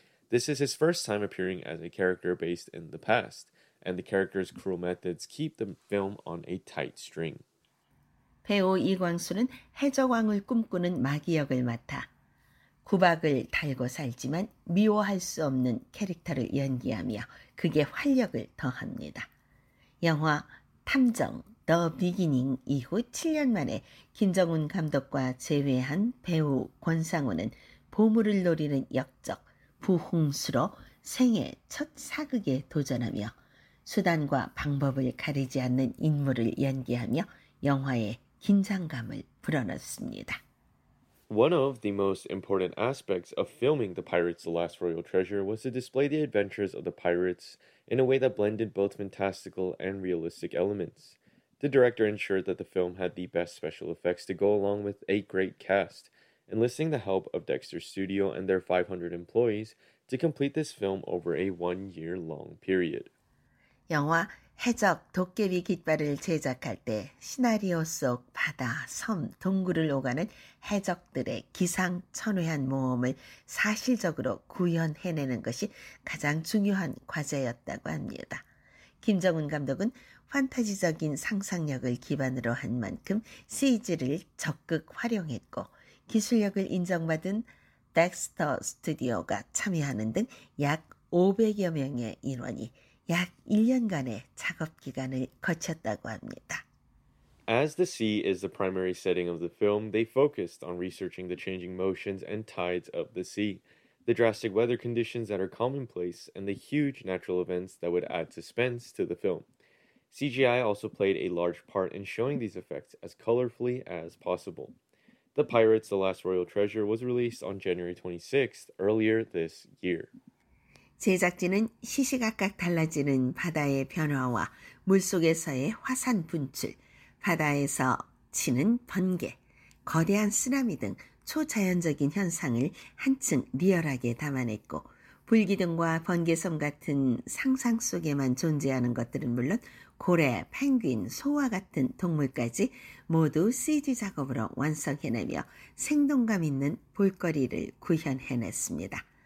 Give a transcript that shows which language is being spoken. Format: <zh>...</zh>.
<en>This is his first time appearing as a character based in the past, and the character's cruel methods keep the film on a tight string.</en> <ko>배우 이광수는 해적왕을 꿈꾸는 마기 역을 맡아 구박을 달고 살지만 미워할 수 없는 캐릭터를 연기하며 그게 활력을 더합니다. 영화 탐정 The Beginning 이후 7년 만에 김정훈 감독과 재회한 배우 권상우는 보물을 노리는 역적 부홍수로 생애 첫 사극에 도전하며 수단과 방법을 가리지 않는 인물을 연기하며 영화의 긴장감을 불어넣습니다.</ko> <en>One of the most important aspects of filming The Pirates, The Last Royal Treasure was to display the adventures of the pirates in a way that blended both fantastical and realistic elements. The director ensured that the film had the best special effects to go along with a great cast, enlisting the help of Dexter Studio and their 500 employees to complete this film over a one-year-long period.</en> <ko>영화 해적 도깨비 깃발을 제작할 때 시나리오 속 바다, 섬, 동굴을 오가는 해적들의 기상천외한 모험을 사실적으로 구현해내는 것이 가장 중요한 과제였다고 합니다. 김정은 감독은 판타지적인 상상력을 기반으로 한 만큼 CG를 적극 활용했고 기술력을 인정받은 덱스터 스튜디오가 참여하는 등 약 500여 명의 인원이 약 1년간의 작업 기간을 거쳤다고 합니다.</ko> <en>As the sea is the primary setting of the film, they focused on researching the changing motions and tides of the sea, the drastic weather conditions that are commonplace, and the huge natural events that would add suspense to the film. CGI also played a large part in showing these effects as colorfully as possible. The Pirates, The Last Royal Treasure was released on January 26th, earlier this year.</en> <ko>제작진은 시시각각 달라지는 바다의 변화와 물속에서의 화산 분출, 바다에서 치는 번개, 거대한 쓰나미 등 초자연적인 현상을 한층 리얼하게 담아냈고 불기둥과 번개섬 같은 상상 속에만 존재하는 것들은 물론 고래, 펭귄, 소와 같은 동물까지 모두 CG 작업으로 완성해내며 생동감 있는 볼거리를 구현해냈습니다.</ko>